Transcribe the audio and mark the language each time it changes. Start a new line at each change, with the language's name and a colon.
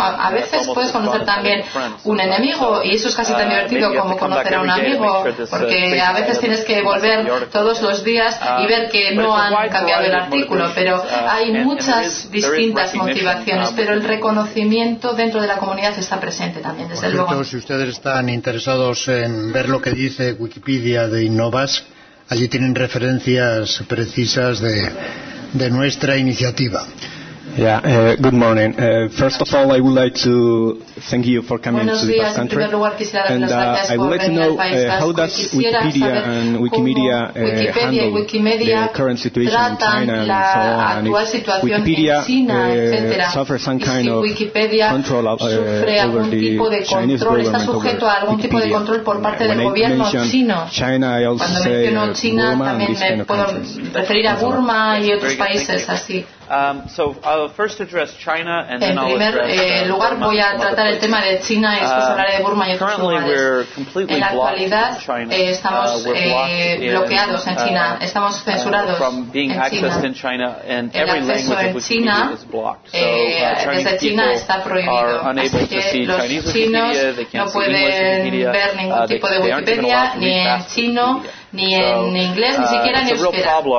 Spanish: A veces puedes conocer también un enemigo y eso es casi tan divertido como conocer a un amigo, porque a veces tienes que volver todos los días y ver que no han cambiado el artículo, pero hay muchas distintas motivaciones, pero el reconocimiento dentro de la comunidad está presente también, desde por cierto, luego. Si ustedes están interesados en ver lo que dice Wikipedia de Innovasc, allí tienen referencias precisas de nuestra iniciativa.
English: Yeah, good morning. First of all, I would like to thank you for coming
Spanish: buenos
English: to this country. And I would like to know how does Wikipedia and Wikimedia handle Wikimedia the current situation in China and so on? And if Wikipedia suffers some kind of control over the Chinese government, over Wikipedia. When I mention China, I also say Burma and these kind of countries. So I'll first address China and
Spanish: en primer lugar voy a tratar el tema de China y después hablaré de Burma y otros lugares. En la actualidad estamos bloqueados en China, estamos censurados en China. El acceso en China desde China está prohibido, así que los chinos no pueden ver ningún tipo de Wikipedia ni en chino, ni en inglés, ni siquiera en euskera.